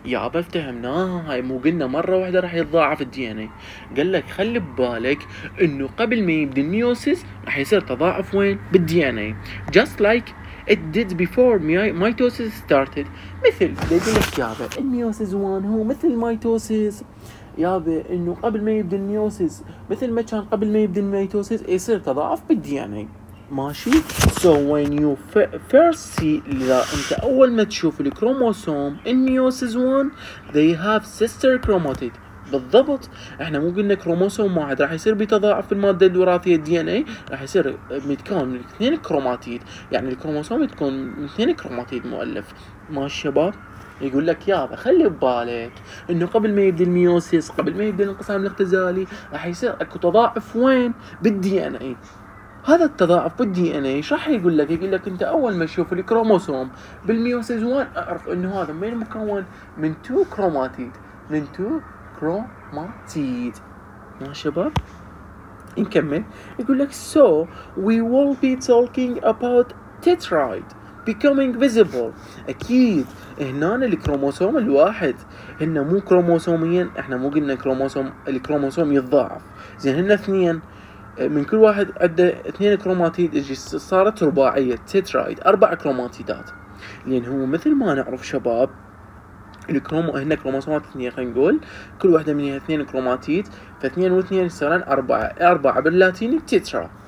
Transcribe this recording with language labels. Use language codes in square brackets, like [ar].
[ar] يا بفتهمناها هاي، مو قلنا مرة واحدة راح يتضاعف الدي ان اي، قال لك خلي ببالك انه قبل ما يبدي الميوسيس راح يصير تضاعف وين؟ بالدي ان اي، [en] just like it did before mitosis started. [ar] مثل يقول لك يابا الميوسيس 1 هو مثل الميتوسيس، يابا انه قبل ما يبدا الميوسيس مثل ما كان قبل ما يبدا الميتوسيس يصير تضاعف بالدي ان اي ماشي. [en] So when you first see [ar] لا انت اول ما تشوف الكروموسوم [en] in meiosis 1 they have sister chromatid. [ar] بالضبط احنا مو قلنا كروموسوم واحد راح يصير بتضاعف المادة الوراثية الدي ان اي، راح يصير متكون من اثنين كروماتيد، يعني الكروموسوم تكون من اثنين كروماتيد مؤلف ما الشباب. يقول لك يابا خلي ببالك انه قبل ما يبدي الميوسيس قبل ما يبدي الانقسام الاختزالي راح يصير اكو تضاعف وين؟ بالدي ان اي. هذا التضاعف بالدي ان اي ايش راح يقول لك؟ يقول لك انت اول ما تشوف الكروموسوم بالميوسيس 1 اعرف انه هذا من مكون من تو كروماتيد، من تو كروماتيد يا شباب. نكمل يقول لك [en] so we will be talking about tetraid becoming visible. [ar] اكيد هنا الكروموسوم الواحد هنا مو كروموسوميين، احنا مو قلنا كروموسوم الكروموسوم يتضاعف، زين هنا اثنين من كل واحد عنده اثنين كروماتيد صارت رباعيه تيترايد اربع كروماتيدات، لان هو مثل ما نعرف شباب الكرومو هنا كروموسومات اثنين خلينا نقول كل واحده منها اثنين كروماتيد، فاثنين واثنين يصيرن اربعه، اربعه باللاتيني تيترا